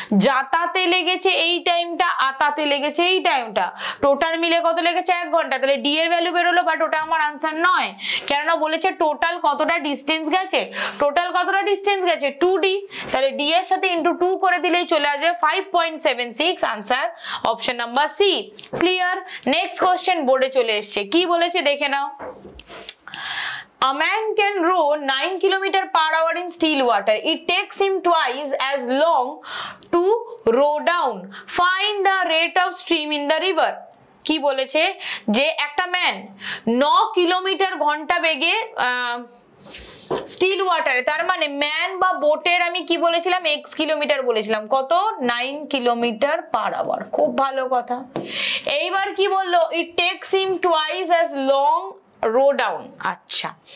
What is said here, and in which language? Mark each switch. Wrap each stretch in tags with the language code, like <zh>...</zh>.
<bn>যাতাতে লেগেছে এই টাইমটা আতাতে লেগেছে এই টাইমটা টোটাল মিলে কত লেগেছে এক ঘন্টা তাহলে ডি এর ভ্যালু বেরোলো বাট ওটা আমার আনসার নয় কেন বলেছে টোটাল কতটা ডিস্টেন্স গেছে টোটাল কতটা ডিস্টেন্স গেছে 2d তাহলে ডি এর সাথে ইনটু 2 করে দিলেই চলে আসবে 5.76 answer option number C clear next question বোর্ডে চলে এসেছে কি বলেছে দেখে নাও</bn> <en>A man can row 9 km per hour in still water. It takes him twice as long to row down. Find the rate of stream in the river.</en> <bn>কি বলেছে যে একটা ম্যান 9 কিলোমিটার ঘন্টা বেগে স্টিল ওয়াটারে তার মানে ম্যান বা বোটের আমি কি বলেছিলাম এক্স কিলোমিটার বলেছিলাম কত 9 কিলোমিটার পার আওয়ার খুব ভালো কথা এইবার কি বললো</bn> <en>it takes him twice as long row down</en> <bn>আচ্ছা</bn>